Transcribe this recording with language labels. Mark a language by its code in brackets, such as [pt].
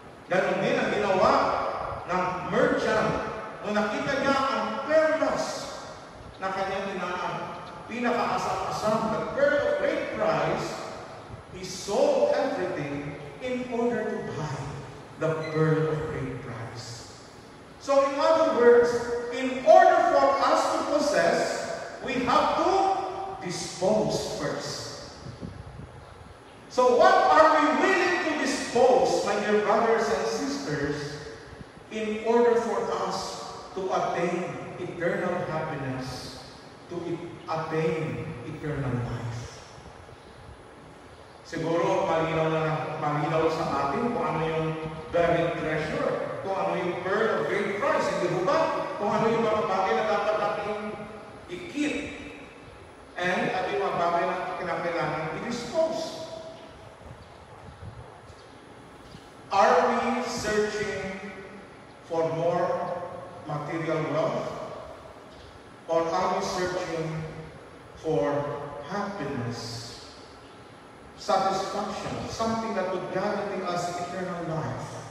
[tl] Ganun din ang ginawa ng merchant nung nakita niya ang perlas na kanyang inaang pinakaasam-asam na [en] pearl of great price. He sold everything in order to buy the pearl of great price. So in other words, in order for us to possess, we have to dispose first. So what are we willing to dispose, my dear brothers and sisters, in order for us to attain eternal happiness, to attain eternal life? [tl] Siguro, malinaw sa atin kung ano yung [en] buried treasure, [tl] kung ano yung [en] pearl of great price, [tl] hindi ko ba? Kung ano yung mga bagay na dapat natin i-keep and ano yung mga bagay na kinakailangan i-dispose. [en] Are we searching for more material wealth? Or are we searching for happiness? Satisfaction, something that would guarantee us eternal life.